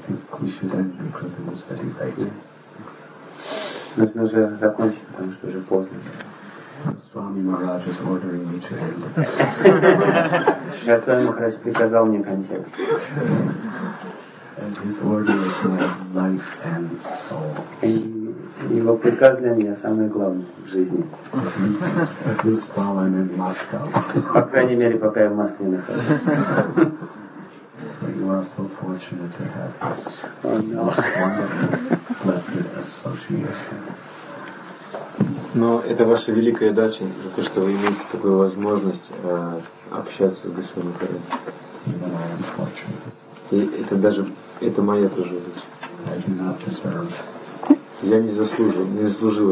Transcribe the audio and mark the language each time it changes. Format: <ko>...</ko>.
<en>we should end because it is very late.</en> <ru>Нужно уже закончить, потому что уже поздно.</ru> <en>Swami Maharaj is ordering me to end.</en> <ru>Господь Махарадж приказал мне кончать.</ru> <en>And his order is my life and soul.</en> <ru>Его приказ для меня самое главное в жизни.</ru> <en>At least while I'm in Moscow.</en> <ru>По крайней мере, пока я в Москве нахожусь.</ru> <en>You are so fortunate to have this wonderful, blessed association.</en> <ru>Но это ваша великая дача, за то, что вы имеете такую возможность общаться с Господом Махараджем. И это даже, это моя тоже удача. Я не заслужил, не заслужил</ru>